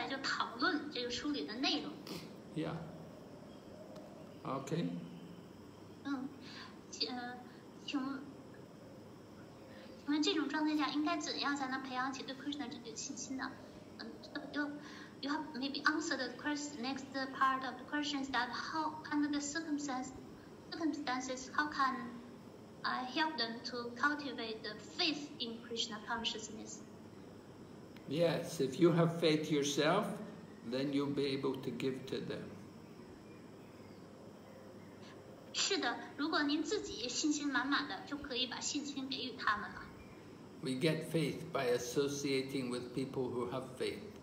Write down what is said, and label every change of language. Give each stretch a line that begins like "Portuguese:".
Chinese: 那为了帮助他们理解这个《国家梵歌》这部大部头的书呢，您可以给他们先看像《超越生死》这样小书，然后跟他们一起来朗读，然后呢接下来就讨论这个书里的内容。
English: Yeah. Okay.
Chinese: 请问这种状态下应该怎样才能培养起对 Krishna 这句信心呢？
English: You have maybe answered the question, next part of the questions that how under the circumstances how can I help them to cultivate the faith in Krishna consciousness? Yes, if you have faith yourself, then you'll be able to give to them.
Chinese: 是的，如果您自己信心满满的，就可以把信心给予他们了。We
English: get faith by associating with people who have faith.